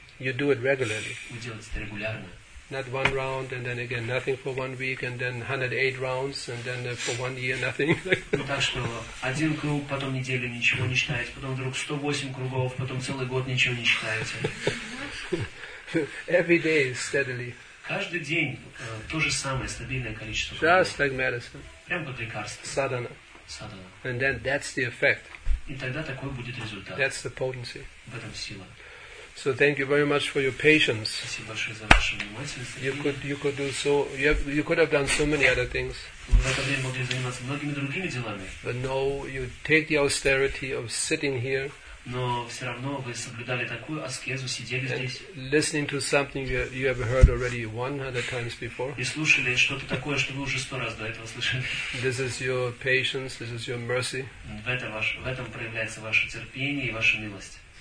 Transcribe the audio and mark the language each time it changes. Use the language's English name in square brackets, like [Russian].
[English] You do it regularly. [Russian] Вы делаете это регулярно. [English] Not 1 round and then again nothing for 1 week and then 108 rounds and then for 1 year nothing. [Russian] Так что один круг, потом неделю ничего не читаете, потом вдруг 108 кругов, потом целый год ничего не читаете. [English] Every day steadily. [Russian] Каждый день то же самое стабильное количество. [English] Just like medicine. [Russian] Прям как лекарство. [English] Sadhana. [Russian] Sadhana. [English] And then that's the effect. [Russian] И тогда такой будет результат. [English] That's the potency. [Russian] В этом сила. [English] So thank you very much for your patience. [Russian] Спасибо большое за вашу внимательность. [English] You could have done so many other things. [Russian] Вы в это время могли заниматься многими другими делами. [English] But no, you take the austerity of sitting here. [Russian] Но все равно вы соблюдали такую аскезу, сидели здесь. [English] Listening to something you have heard already 100 times before. [Russian] И слушали что-то такое, что вы уже 100 раз до этого слышали. [English] This is your patience. This is your mercy. [Russian] В этом проявляется ваше терпение и ваша милость.